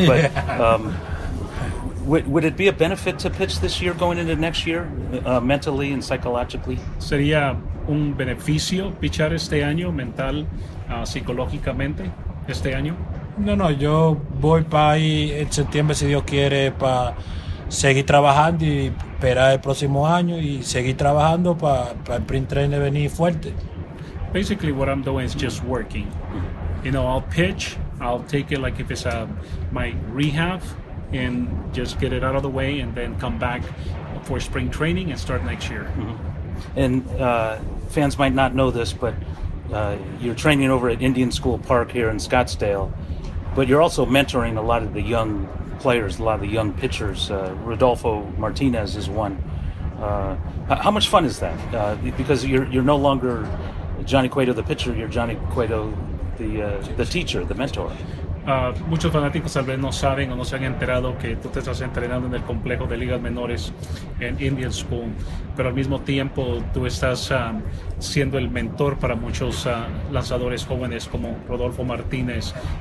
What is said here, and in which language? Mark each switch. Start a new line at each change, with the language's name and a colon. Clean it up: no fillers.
English: But would it be a benefit to pitch this year going into next year, mentally and psychologically?
Spanish: Sería un beneficio pichar este año, mental, psicológicamente, este año. No, yo voy para ahí en septiembre, si Dios quiere, para seguir trabajando y esperar el próximo año y seguir trabajando para el sprint training venir fuerte.
English: Basically, what I'm doing is just working. You know, I'll pitch, I'll take it like if it's my rehab and just get it out of the way and then come back for spring training and start next year. Mm-hmm. And fans might not know this, but you're training over at Indian School Park here in Scottsdale. But you're also mentoring a lot of the young players, a lot of the young pitchers. Rodolfo Martinez is one. How much fun is that? Because you're no longer Johnny Cueto the pitcher, you're Johnny Cueto the teacher, the mentor.
Spanish: Muchos fanáticos tal vez no saben o no se han enterado que tú te estás entrenando en el complejo de ligas menores en Indian School, pero al mismo tiempo tú estás siendo el mentor para muchos lanzadores jóvenes como Rodolfo Martínez.